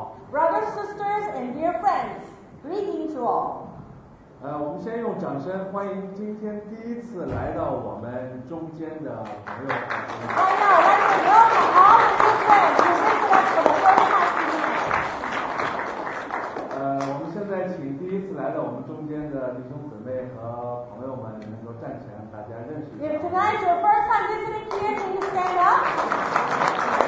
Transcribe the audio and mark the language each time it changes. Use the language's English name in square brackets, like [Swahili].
[English] Brothers, sisters, and dear friends, greeting to all. [Chinese] 我们先用掌声欢迎今天第一次来到我们中间的朋友。欢迎来到我们的好朋友，首先是来自我们中间的。我们现在请第一次来到我们中间的弟兄姊妹和朋友们能够站起来，大家认识。 [English] If tonight your first time visiting here, can you stand up?